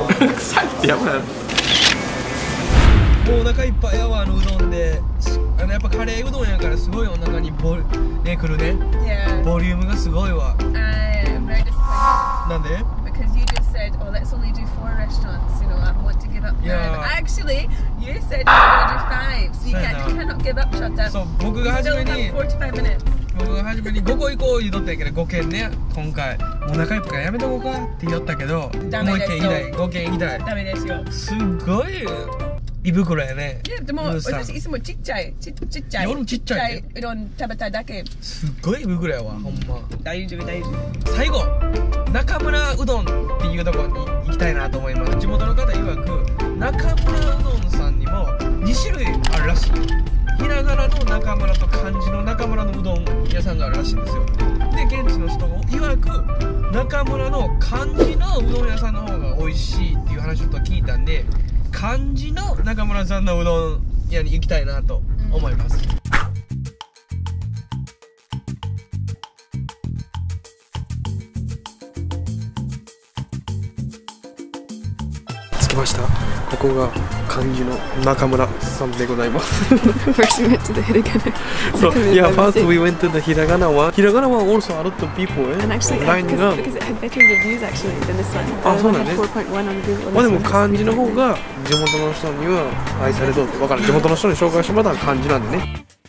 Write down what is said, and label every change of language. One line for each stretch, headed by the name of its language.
Japanese: 臭い。臭いってやばい。もうお腹いっぱいやわ、あのうどんで。あのやっぱカレーうどんやからすごいお腹にボリね、くるね、 yeah. ボリュームがすごいわ。
English: I'm very disappointed.
Japanese: なんで？
English: Because you just said, oh, let's only do four restaurants, you know, I want to give up them. Yeah. Actually, you said you're gonna do five, so you cannot give up Shota.
Japanese: そう、僕が初めに
English: 45 minutes.
Japanese: 僕が初めに5個行こう言っとったけど、5軒ね、今回お腹いっぱいからやめとこうかって言ったけど、もう1軒行きたい、5軒行きたい。ダメですよ。すごい胃袋やね。いやでも私いつもちっちゃい、ちっちゃい、夜もちっちゃい、うどん食べただけ。すっごい胃袋やわ、ほんま。大丈夫大丈夫。最後中村うどんっていうところに行きたいなと思います。地元の方曰く中村うどんさんにも2種類あるらしい。ひらがなの中村と漢字の中村のうどん屋さんがあるらしいんですよ。で現地の人も曰く中村の漢字のうどん屋さんの方が美味しいっていう話を聞いたんで。漢字の中村さんのうどん屋に行きたいなと思います、うん、着きました。ここが漢字の中村さんでございます。
English: First we went to the hiragana. So, yeah, first we went to the hiragana one. Hiragana one also a lot of people, eh? And actually, because it had better reviews actually than this one. Ah, so that's it. 4.1 on Google.
Japanese: まあでも漢字の方が地元の人には愛されそうって、わかる。地元の人に紹介してもらったら漢字なんでね。